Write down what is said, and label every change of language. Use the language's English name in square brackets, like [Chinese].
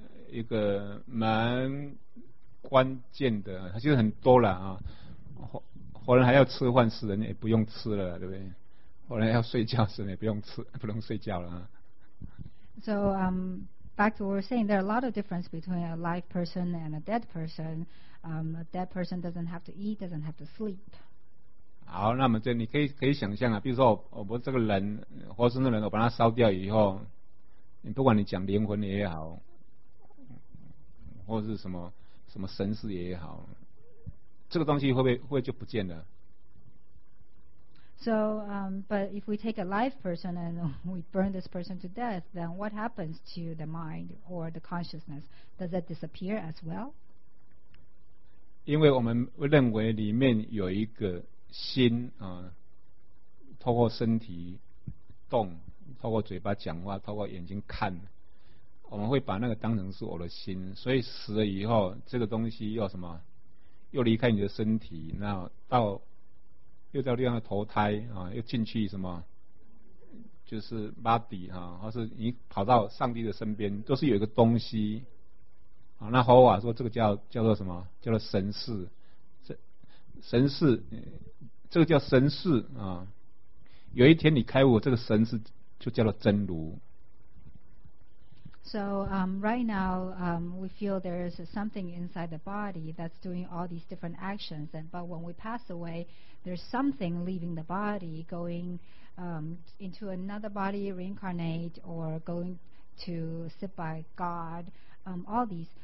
[Chinese] 一个蛮关键的，其实很多了啊，活人还要吃饭，死人也不用吃了，对不对？活人要睡觉，死人也不用吃，不用睡觉了。 [English] So, back to what we're saying, there are a lot of difference between a live person and a dead person. A dead person doesn't have to eat, doesn't have to sleep. [Chinese] 好，那么这你可以想象啊，比如说我这个人，活生的人，我把他烧掉以后，你不管你讲灵魂也好，或是什么神识也好，这个东西会不会就不见了？ [English] So, but if we take a live person and we burn this person to death, then what happens to the mind or the consciousness? Does that disappear as well? [Chinese] 因为我们认为里面有一个心啊，透过身体动，透过嘴巴讲话，透过眼睛看，我们会把那个当成是我的心，所以死了以后，这个东西又什么，又离开你的身体，那到又到另外投胎啊，又进去什么，就是 body 啊，或是你跑到上帝的身边，都是有一个东西啊。那霍瓦说，这个叫做什么？叫做神识，神识，这个叫神识啊。有一天你开悟，这个神识就叫做真如。 [English] So right now we feel there is something inside the body that's doing all these different actions, but when we pass away, there's something leaving the body, going into another body, reincarnate, or going to sit by God, all these.